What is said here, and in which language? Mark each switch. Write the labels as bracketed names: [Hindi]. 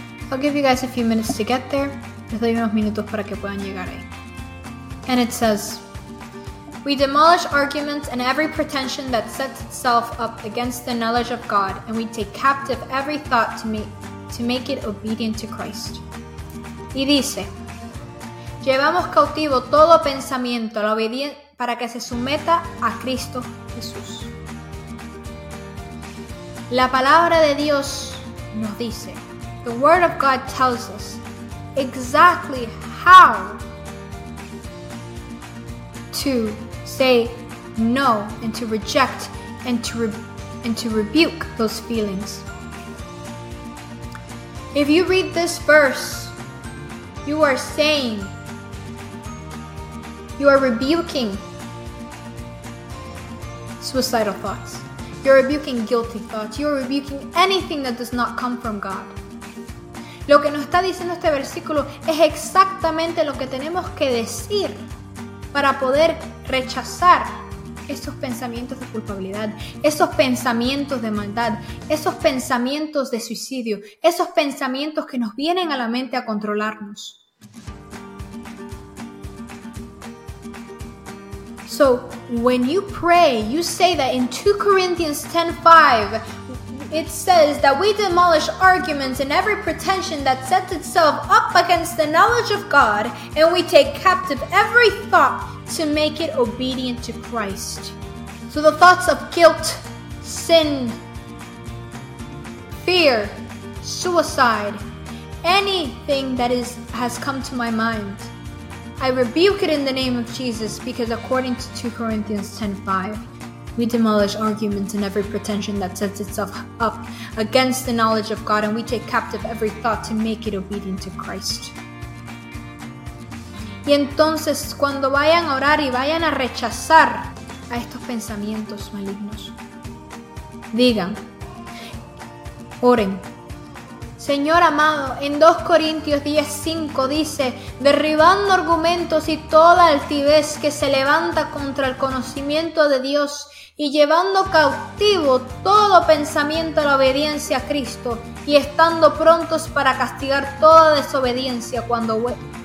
[English] I'll give you guys a few minutes to get there. [Spanish] Les doy unos minutos para que puedan llegar ahí. [English] And it says, "We demolish arguments and every pretension that sets itself up against the knowledge of God, and we take captive every thought to make it obedient to Christ." [Spanish] Y dice, llevamos cautivo todo pensamiento a la obediencia para que se someta a Cristo Jesús. La palabra de Dios nos dice, [English] the word of God tells us exactly how to say no and to reject and to rebuke those feelings. If you read this verse, you are saying, you are rebuking suicidal thoughts. You're rebuking guilty thoughts. You're rebuking anything that does not come from God. [Spanish] Lo que nos está diciendo este versículo es exactamente lo que tenemos que decir para poder rechazar esos pensamientos de culpabilidad, esos pensamientos de maldad, esos pensamientos de suicidio, esos pensamientos que nos vienen a la mente a controlarnos. [English] So when you pray, you say that in 2 Corinthians 10:5, it says that we demolish arguments and every pretension that sets itself up against the knowledge of God, and we take captive every thought to make it obedient to Christ. So the thoughts of guilt, sin, fear, suicide, anything that has come to my mind, I rebuke it in the name of Jesus, because according to 2 Corinthians 10:5, we demolish arguments and every pretension that sets itself up against the knowledge of God, and we take captive every thought to make it obedient to Christ. [Spanish] Y entonces, cuando vayan a orar y vayan a rechazar a estos pensamientos malignos, digan, oren. Señor amado, en 2 Corintios 10:5 dice, derribando argumentos y toda altivez que se levanta contra el conocimiento de Dios y llevando cautivo todo pensamiento a la obediencia a Cristo y estando prontos para castigar toda desobediencia cuando vuelva.